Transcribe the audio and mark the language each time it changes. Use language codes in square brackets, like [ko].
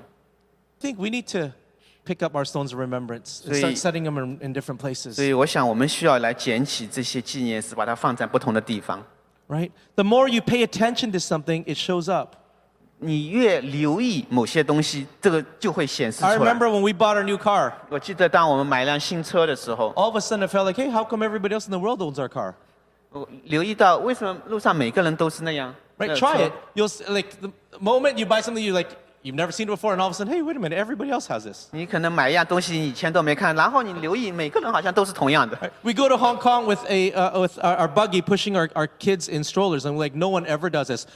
[en] I think we need to pick up our stones of remembrance and start setting them in different places. [zh] 所以我想我们需要来捡起这些纪念石，把它放在不同的地方。 [en] Right? The more you pay attention to something, it shows up. [zh] 你越留意某些东西，这个就会显示出来。 [en] I remember when we bought our new car. [zh] 我记得当我们买一辆新车的时候。 [en] All of a sudden, I felt like, "Hey, how come everybody else in the world owns our car?" [zh] 我留意到为什么路上每个人都是那样。 [en] Right? Try it. You'll like the moment you buy something, you like. You've never seen it before, and all of a sudden, "Hey, wait a minute, everybody else has this." [zh] 你可能买一样东西以前都没看，然后你留意每个人好像都是同样的。 [en] We go to Hong Kong with our buggy pushing our kids in strollers, and we're like, no one ever does this.